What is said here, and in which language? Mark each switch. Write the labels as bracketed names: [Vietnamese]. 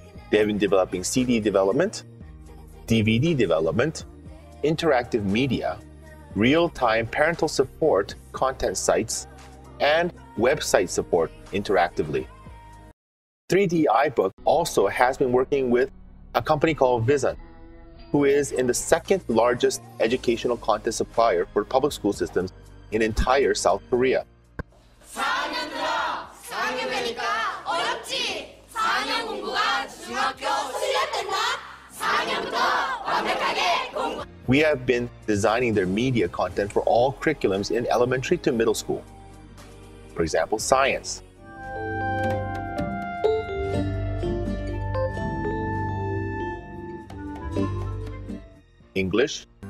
[English] They have been developing CD development, DVD development, interactive media, real-time parental support content sites, and website support interactively. 3D iBook also has been working with a company called Vizen, who is in the second largest educational content supplier for public school systems in entire South Korea. [Korean] 4년 들어 4학년 되니까 어렵지. 4학년 공부가 중학교 훈련된다. 4학년부터 완벽하게 공부. [English] We have been designing their media content for all curriculums in elementary to middle school. For example, science. English,